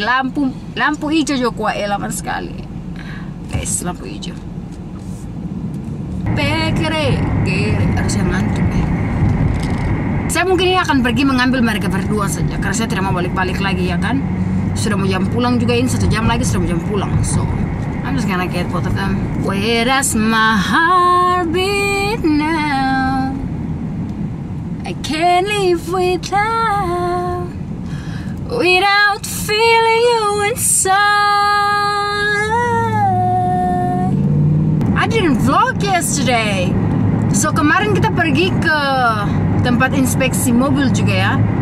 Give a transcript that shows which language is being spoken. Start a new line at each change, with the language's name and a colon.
Indonesian: Lampu hijau juga kuat elaman sekali. Guys, lampu hijau. Peque reque, harusnya ngantuk ya. Saya mungkin ini akan pergi mengambil mereka berdua saja, karena saya tidak mau balik-balik lagi ya kan. Sudah mau jam pulang juga ini, satu jam lagi sudah mau jam pulang,
English: so I'm just gonna get both of them. Where does my heart beat now? I can't live without feeling you inside. I didn't vlog yesterday.
Indonesian: So kemarin kita pergi ke tempat inspeksi mobil juga ya.